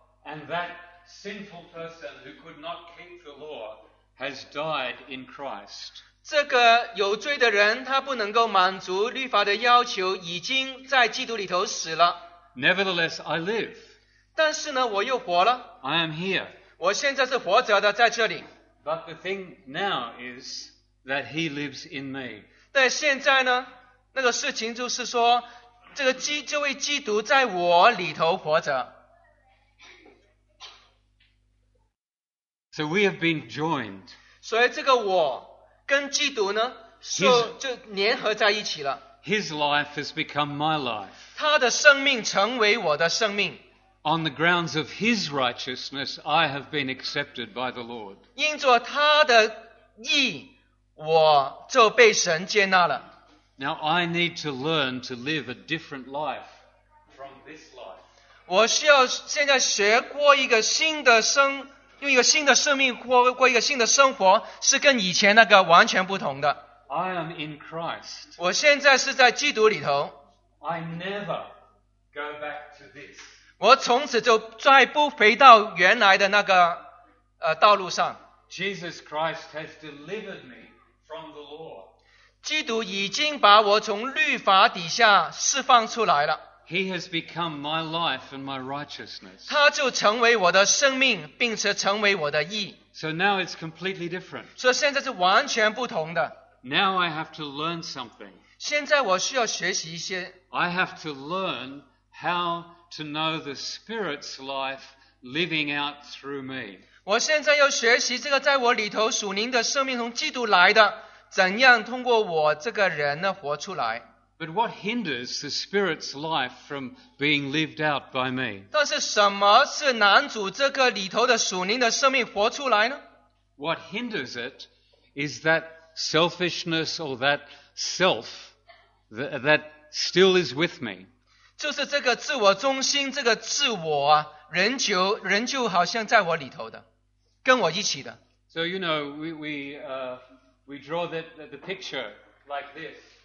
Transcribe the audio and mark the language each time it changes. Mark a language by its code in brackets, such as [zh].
[en] and that sinful person who could not keep the law has died in Christ. [zh] 这个有罪的人他不能够满足律法的要求已经在基督里头死了 [en] Nevertheless, I live. [zh] 但是呢我又活了 [en] I am here. [zh] 我现在是活着的在这里 [en] But the thing now is that he lives in me. [zh] 但现在呢，那个事情就是说，这位基督在我里头活着。 [en] So we have been joined. [zh] 所以这个我跟基督呢，就联合在一起了。 [en] His life has become my life. [zh] 他的生命成为我的生命。 [en] On the grounds of his righteousness, I have been accepted by the Lord. [zh] 因着他的义，我就被神接纳了。 [en] Now I need to learn to live a different life from this life. [zh] 我需要现在学过一个新的生，用一个新的生命过一个新的生活，是跟以前那个完全不同的。 [en] I am in Christ. [zh] 我现在是在基督里头。 [en] I never go back to this. [zh] 我从此就再不回到原来的那个道路上。 [en] Jesus Christ has delivered me from the law. [zh] 基督已经把我从律法底下释放出来了。 [en] He has become my life and my righteousness. [zh] 他就成为我的生命，并且成为我的义。 [en] So now it's completely different. [zh] 所以现在是完全不同的。 [en] Now I have to learn something. [zh] 现在我需要学习一些。 [en] I have to learn how. To know the Spirit's life living out through me. [zh] 我现在要学习这个在我里头属灵的生命从基督来的，怎样通过我这个人呢活出来。 [en] But what hinders the Spirit's life from being lived out by me? [zh] 但是什么是难阻这个里头的属灵的生命活出来呢？ [en] What hinders it is that selfishness or that self that still is with me. [zh] 就是这个自我中心，这个自我啊，仍旧好像在我里头的，跟我一起的。 [en] So you know, we draw the picture like this.